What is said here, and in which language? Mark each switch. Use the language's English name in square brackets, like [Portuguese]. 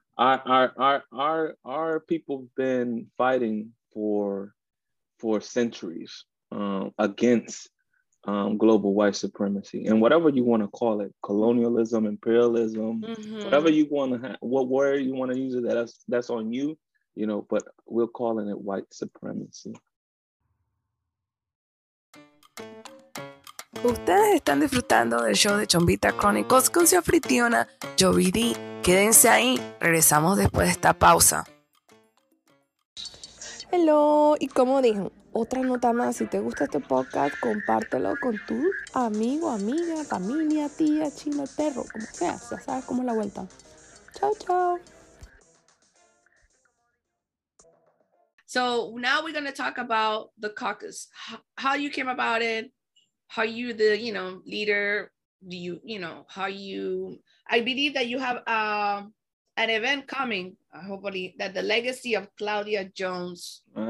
[English] Our people have been fighting for centuries against global white supremacy and whatever you want to call it, colonialism, imperialism, mm-hmm. whatever you want to have, what word you want to use, that's on you, you know, but we're calling it white supremacy. [Spanish] Ustedes están disfrutando del show de Chombita Chronicles con su anfitriona Jovidi. Quédense ahí, regresamos después de esta pausa. [English] Hello, [Spanish] y como dijo, otra nota más, si te gusta este podcast, compártelo con tu amigo, amiga, familia, tía, chino, perro, como sea, ya sabes cómo es la vuelta. Chao, chao. [English] So now we're going to talk about the caucus, how you came about it, how you the, you know, leader, do you, you know, how you, I believe that you have an event coming, hopefully, that the legacy of Claudia Jones.